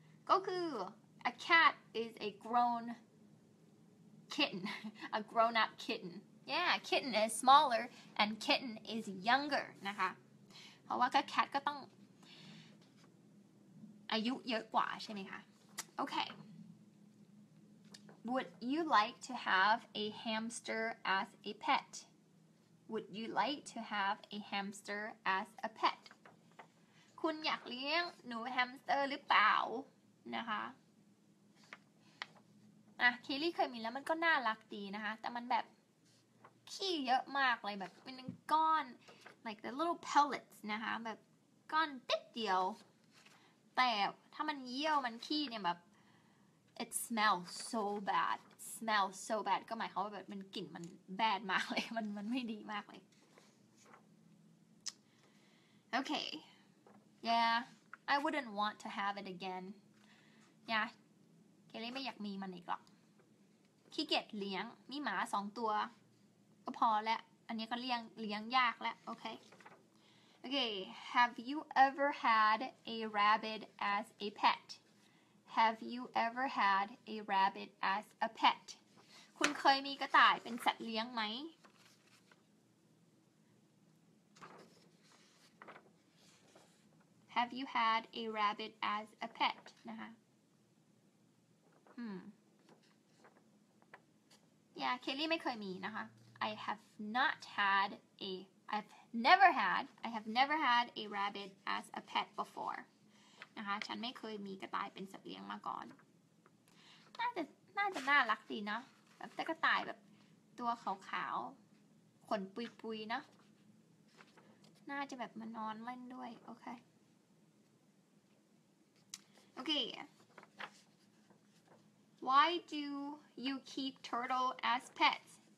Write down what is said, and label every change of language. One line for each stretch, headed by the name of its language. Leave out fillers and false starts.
Thai: ก็คือ
English: a cat is a grown kitten a grown up kitten yeah kitten is smaller and kitten is younger
Thai: นะคะเพราะว่าก็
English: cat
Thai: ก็ต้องอายุเยอะกว่าใช่ไหมคะโอเค
English: Would you like to have a hamster as a pet? Would you like to have a hamster as a pet?
Thai: คุณอยากเลี้ยงหนูแฮมสเตอร์หรือเปล่านะคะคีรีเคยมีแล้วมันก็น่ารักดีนะคะแต่มันแบบขี้เยอะมากเลยแบบเป็นก้อน
English: like the little pellets
Thai: นะคะแบบก้อนติดเดียวแต่ถ้ามันเยี่ยวมันขี้เนี่ยแบบ
English: it smells so bad
Thai: smells so bad ก็หมายความว่าแบบมันกลิ่นมัน bad มากเลยมันไม่ดีมากเลย
English: okay yeah I wouldn't want to have it again yeah
Thai: เคลลี่ไม่อยากมีมันอีกหรอกขี้เกียจเลี้ยงมีหมา2ตัวก็พอแล้วอันนี้ก็เลี้ยงยากแล้ว
English: okayOkay, have you ever had a rabbit as a pet? Have you ever had a rabbit as a pet?
Thai: คุณเคยมีกระต่ายเป็นสัตว์เลี้ยงไหม
English: Have you had a rabbit as a pet? นะคะ Yeah, Kelly ไม่เคยมีนะคะ I have never had a rabbit as a pet before.
Thai: นะคะฉันไม่เคยมีกระต่ายเป็นสัตว์เลี้ยงมาก่อนน่าจะน่ารักดีนะแบบแต่กระต่ายแบบตัวขาวๆขนปุยๆนะน่าจะแบบมานอนเล่นด้วยโอเคโอเค
English: Why do you keep turtle as pets?